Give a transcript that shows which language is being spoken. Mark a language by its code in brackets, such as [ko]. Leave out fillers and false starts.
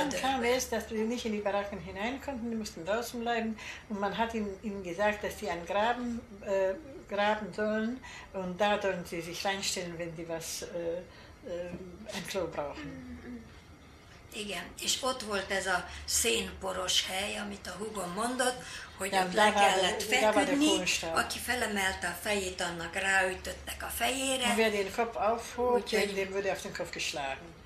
[de] Aber dann kam es, dass wir nicht in die Baracken hinein konnten, wir mussten draußen bleiben, und man hat ihnen gesagt, dass sie einen Graben graben sollen, und da sollen sie sich reinstellen, wenn sie was ein Klo brauchen. [hu] Igen, és ott volt ez a szénporos hely, amit a húgom mondott, hogy ja, ott le kellett feküdni, aki felemelte a fejét, annak ráütöttek a fejére. [de] Wer den Kopf aufhob, dem wurde auf den Kopf geschlagen.